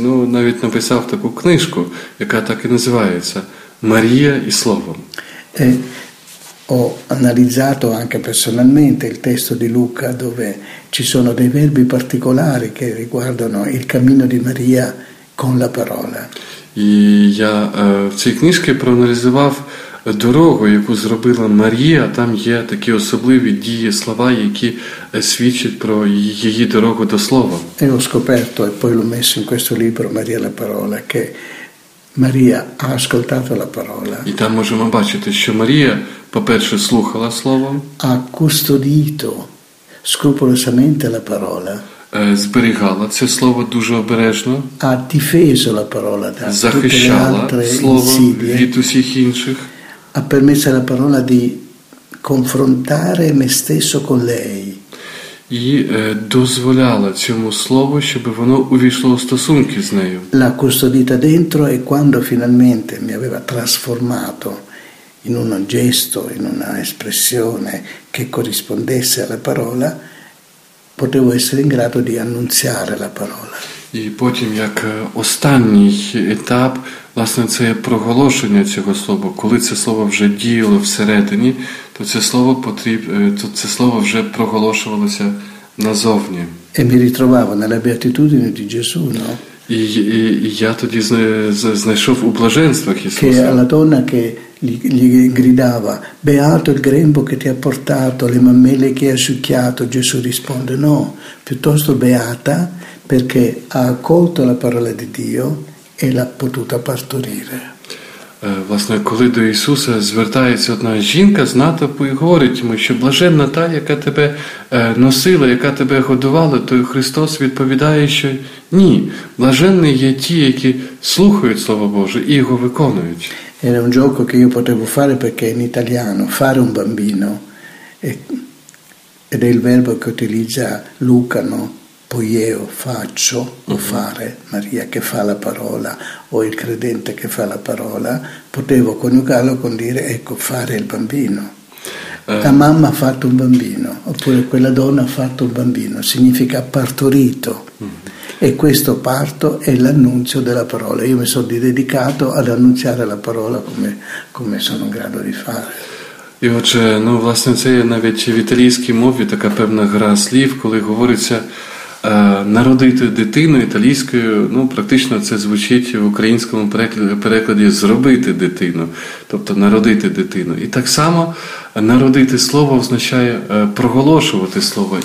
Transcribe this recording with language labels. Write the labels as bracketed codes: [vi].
[uk] Навіть написав таку книжку, яка так і називається Марія і слово. [it] Ho analizzato anche personalmente il testo di Luca, dove ci sono dei verbi particolari che riguardano il cammino di Maria con la parola. [uk] І я в цій книжці проаналізував дорогу, яку зробила Марія. Там є такі особливі дії, слова, які свідчать про її дорогу до слова. [it] E ho scoperto, e poi l'ho messo in questo libro, Maria la parola, che Maria ha ascoltato la parola. [uk] І там можемо бачити, що Марія, по-перше, слухала слово. [it] Ha custodito scrupolosamente la parola. [uk] Зберігала це слово дуже обережно. [it] Ha difeso la parola da [uk] захищала [it] tutte le altre [uk] слово [it] insidie. [uk] Від усіх інших. [it] Ha permesso alla parola di confrontare me stesso con lei. [uk] І дозволяла цьому слову, щоб воно увійшло у стосунки з нею. [it] L'ha custodita dentro e quando finalmente mi aveva trasformato in un gesto, in una espressione che corrispondesse alla parola, potevo essere in grado di annunziare la parola. [uk] І потім, як останній етап, власне, це проголошення цього слова. Коли це слово вже діяло всередині, то це слово вже проголошувалося назовні. [it] E mi ritrovavo nella beatitudine di Gesù, no? [uk] І я тоді знайшов у блаженствах Ісуса. [it] Che alla donna che gli gridava, beato il grembo che ti ha portato, le mammelle che hai succhiato, Gesù risponde, no, piuttosto beata perché ha accolto la parola di Dio e l'ha potuta partorire. [uk] Власне, коли до Ісуса звертається одна жінка з натовпу і говорить йому, що блаженна та, яка тебе носила, яка тебе годувала, то Христос відповідає, що ні, блаженні є ті, які слухають Слово Боже і його виконують. [it] Era un gioco che io potevo fare perché in italiano fare un bambino ed è il verbo che utilizza Luca, no? Poi io faccio o fare, Maria che fa la parola o il credente che fa la parola, potevo coniugarlo con dire ecco fare il bambino. La mamma ha fatto un bambino oppure quella donna ha fatto un bambino, significa partorito. E questo parto è l'annunzio della parola. Io mi sono dedicato ad annunciare la parola come sono in grado di fare. [uk] І отже, ну, власне, це є навіть в італійській мові така певна гра слів, коли говориться народити дитину італійською, ну, практично це звучить в українському перекладі зробити дитину, тобто народити дитину. І так само народити слово означає проголошувати слово.